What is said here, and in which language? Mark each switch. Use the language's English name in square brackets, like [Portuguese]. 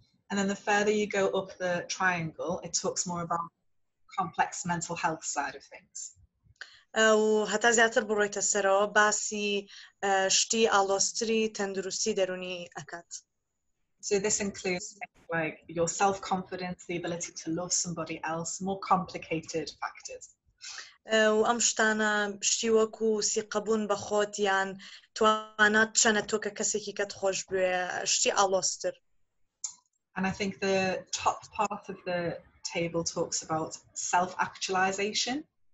[English] And then the further you go up the triangle, it talks more about complex mental health side of things. [Central Kurdish] حتی زیاتر بڕۆیتە سەرەوە باسی شتی ئاڵۆزتری تەندروستی دەروونی ئەکات. [English] So this includes things like your self-confidence, the ability to love somebody else, more complicated factors. [Central Kurdish] ئەم شتانە شتی وەکو سیقەبوون بە خۆت یان توانات چەنە تۆ کە کەسێکی کەت خۆش بوێ شتی ئاڵۆزتر. [English] And I think the top part of the table talks about self-actualization.